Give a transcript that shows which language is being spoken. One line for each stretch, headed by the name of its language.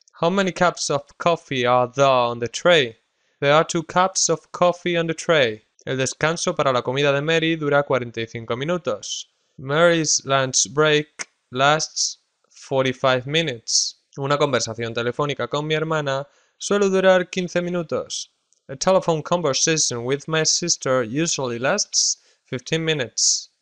English: How many cups of coffee are there on the tray? There are 2 cups of coffee on the tray.
Spanish: El descanso para la comida de Mary dura 45 minutos.
English: Mary's lunch break lasts 45 minutes.
Spanish: Una conversación telefónica con mi hermana suele durar 15 minutos.
English: A telephone conversation with my sister usually lasts 15 minutes.